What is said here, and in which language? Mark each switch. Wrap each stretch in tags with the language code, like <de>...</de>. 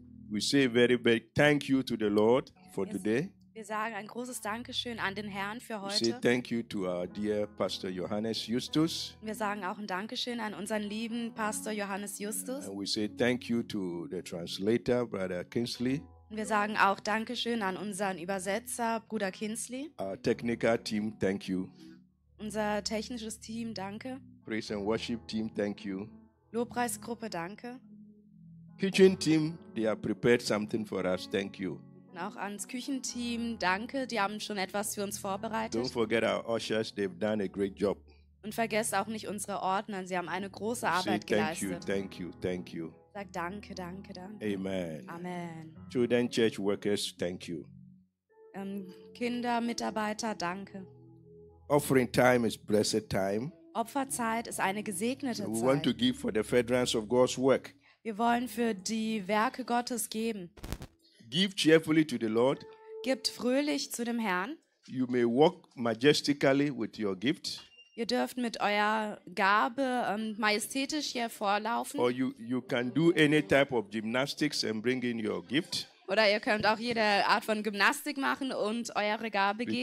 <en>We say a very big thank you to the Lord for today.</en> <de>Wir sagen ein großes Dankeschön an den Herrn für heute.</de> <en>We say thank you to our dear Pastor Johannes Justus.</en> <de>Wir sagen auch ein Dankeschön an unseren lieben Pastor Johannes Justus.</de> <en>And we say thank you to the translator, Brother Kingsley.</en> <de>Und wir sagen auch Dankeschön an unseren Übersetzer, Bruder Kingsley.</de> <en>Our technical team, thank you.</en> <de>Unser technisches Team, danke.</de> <en>Praise and worship team, thank you.</en> <de>Lobpreisgruppe, danke.</de> <en>Kitchen team, they have prepared something for us, thank you.</en> <de>Und auch ans Küchenteam, danke, die haben schon etwas für uns vorbereitet.</de> <en>Don't forget our ushers, they've done a great job.</en> <de>Und vergesst auch nicht unsere Ordner, sie haben eine große Arbeit geleistet.</de> <en>Thank you, thank you, thank you.</en> <de>Sag danke, danke, danke. Amen. Amen.</de> <en>Student church workers, thank you.</en> <de>Kinder, Mitarbeiter, danke.</de> <en>Offering time is blessed time.</en> <de>Opferzeit ist eine gesegnete</de> <en>We</en> <de>Zeit.</de> <en>We want to give for the furtherance of God's work.</en> <de>Wir wollen für die Werke Gottes geben.</de> <en>Give cheerfully to the Lord.</en> <de>Gibt fröhlich zu dem Herrn.</de> <en>You may walk majestically with your gift.</en> <de>Ihr dürft mit eurer Gabe majestätisch hier vorlaufen.</de> <en>Or you can do any type of gymnastics and bring in your gift.</en> <de>Oder ihr könnt auch jede Art von Gymnastik machen und eure Gabe geben.</de>